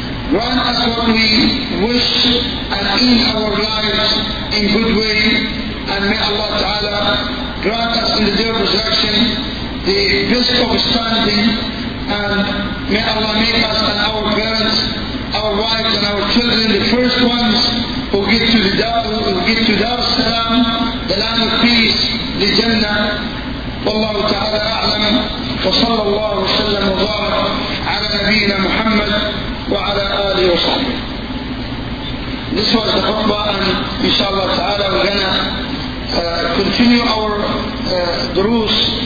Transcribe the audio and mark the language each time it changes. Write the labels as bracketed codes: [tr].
[en] grant us what we wish and in our lives in good way, and may Allah Ta'ala grant us in the day of resurrection the best of standing, and may Allah make us and our parents, our wives and our children the first ones who get to the Dar Salaam, the land of peace, the Jannah. [ar] والله تعالى أعلم وصلى الله وسلم وبارك على نبينا محمد وعلى آله وصحبه. [en] This was the khutbah, and inshallah ta'ala we're gonna continue our durus.